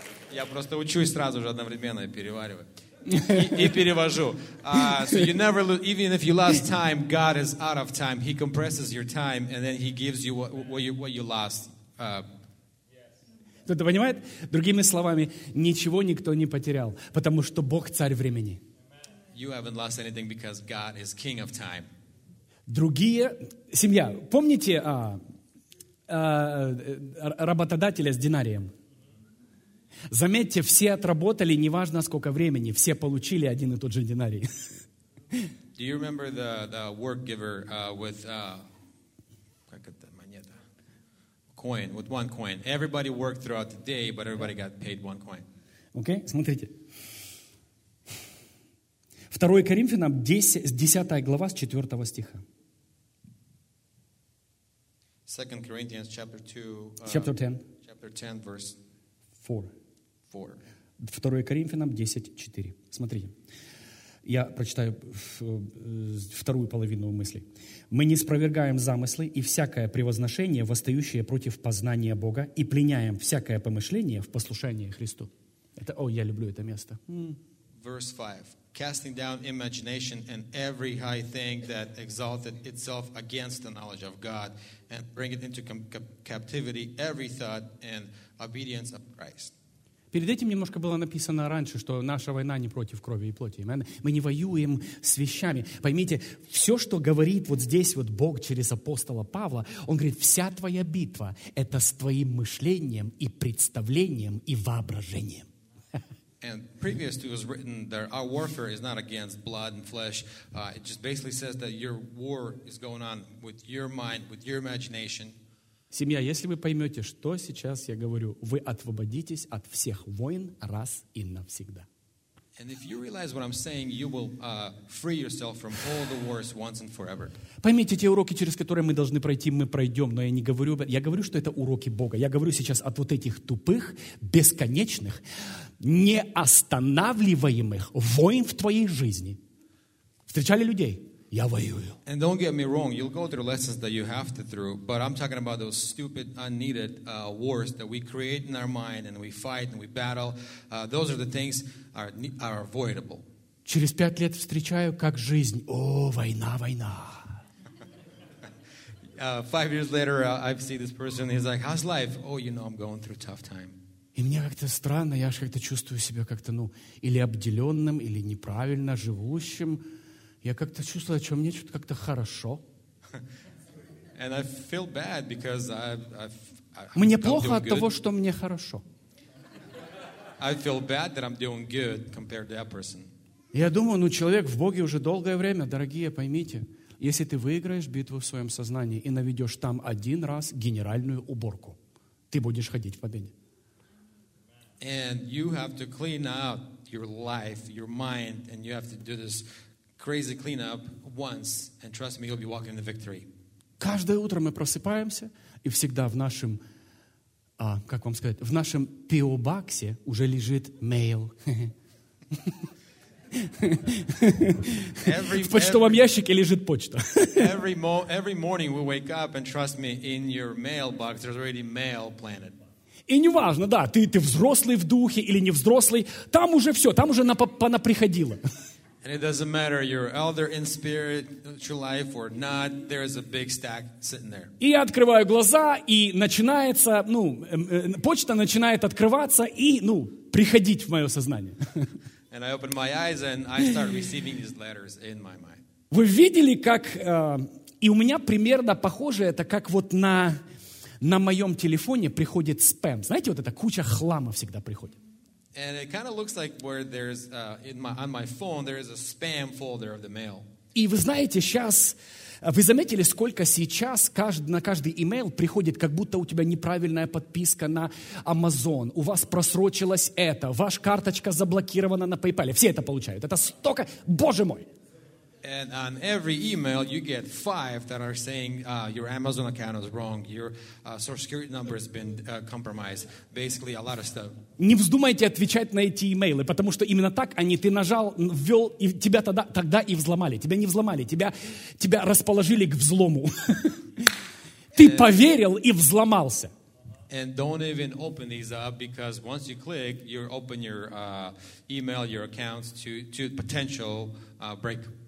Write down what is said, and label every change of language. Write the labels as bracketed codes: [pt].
[ru] Я просто учусь сразу же одновременно перевариваю. И перевожу. [en] So you never lose, even if you lost time, God is out of time. He compresses your time, and then he gives you what you lost. [ru] Кто-то понимает? Другими словами, ничего никто не потерял, потому что Бог царь времени. [en] You haven't lost anything because God is king of time. [ru] Другие, семья, помните работодателя с динарием? Заметьте, все отработали, неважно сколько времени, все получили один и тот же динарий. [en] Do you remember the work giver with, [ru] как это, монета? [en] Coin, with one coin. Everybody worked throughout the day, but everybody got paid one coin. [ru] Okay, смотрите. 2 Коринфянам, 10 глава, с 4 стиха. [en] 2 Corinthians chapter 2, chapter 10, chapter 10, verse [ru] 4. 2 Коринфянам 10:4. Смотрите, я прочитаю вторую половину мысли. Мы не спровергаем замыслы и всякое превозношение, восстающее против познания Бога, и пленяем всякое помышление в послушание Христу. Это, я люблю это место. [en] Verse 5. Casting down imagination and every high thing that exalted itself against the knowledge of God, and bring it into captivity every thought and obedience of Christ. [ru] Перед этим немножко было написано раньше, что наша война не против крови и плоти. Мы не воюем с вещами. Поймите, все, что говорит вот здесь вот Бог через апостола Павла, он говорит, вся твоя битва — это с твоим мышлением и представлением и воображением. [en] And previous to it was written that our warfare is not against blood and flesh. It just basically says that your war is going on with your mind, with your imagination. [ru] Семья, если вы поймете, что сейчас я говорю, вы освободитесь от всех войн раз и навсегда. [en] And if you realize what I'm saying, you will free yourself from all the wars once and forever. [ru] Поймите, те уроки, через которые мы должны пройти, мы пройдем, но я не говорю об этом. Я говорю, что это уроки Бога. Я говорю сейчас от вот этих тупых, бесконечных, неостанавливаемых войн в твоей жизни. Встречали людей? Я воюю. [en] And don't get me wrong, you'll go through lessons that you have to through, but I'm talking about those stupid, unneeded wars that we create in our mind and we fight and we battle. Those are the things are avoidable. [ru] Через 5 лет встречаю, как жизнь. О, война, война. [en] 5 years later, I see this person, he's like, how's life? Oh, you know, I'm going through a tough time. [ru] И мне как-то странно, я же как-то чувствую себя как-то, ну, или обделенным, или неправильно живущим. Я как-то чувствую, что мне что-то как-то хорошо. [en] And I feel bad because [ru] мне плохо от того, что мне хорошо. [en] I feel bad that I'm doing good compared to that person. [ru] Я думаю, ну человек в Боге уже долгое время, дорогие, поймите, если ты выиграешь битву в своем сознании и наведешь там один раз генеральную уборку, ты будешь ходить в победе. [en] And you have to clean out your life, your mind, and you have to do this crazy cleanup once. And trust me, you'll be walking in the victory. [ru] Каждое утро мы просыпаемся, и всегда в нашем, как вам сказать, в нашем пио-баксе уже лежит mail. В почтовом ящике лежит почта. [en] Every morning we wake up, and trust me, in your mailbox there's already mail planted. [ru] И неважно, да, ты взрослый в духе или не взрослый, там уже все, там уже понаприходило. [en] And it doesn't matter, you're elder in spiritual life or not, there is a big stack sitting there. [ru] И открываю глаза, и начинается, ну, почта начинает открываться и, ну, приходить в мое сознание. [en] And I open my eyes and I start receiving these letters in my mind. [ru] Вы видели, как, и у меня примерно похоже это, как вот на моем телефоне приходит спэм. Знаете, вот эта куча хлама всегда приходит. [en] And it kind of looks like where there's on my phone there is a spam folder of the mail. [ru] И вы знаете, сейчас вы заметили, сколько сейчас на каждый email приходит, как будто у тебя неправильная подписка на Amazon, у вас просрочилось это, ваша карточка заблокирована на PayPal. Все это получают. Это столько, Боже мой. [en] And on every email you get 5 that are saying your Amazon account is wrong, your social security number has been compromised, basically a lot of stuff. [ru] Не вздумайте отвечать на эти имейлы, потому что именно так они, ты нажал, ввел, и тебя тогда и взломали. Тебя не взломали, тебя расположили к взлому. Ты поверил и взломался. [en] And don't even open these up, because once you click, you open your email, your accounts to potential break.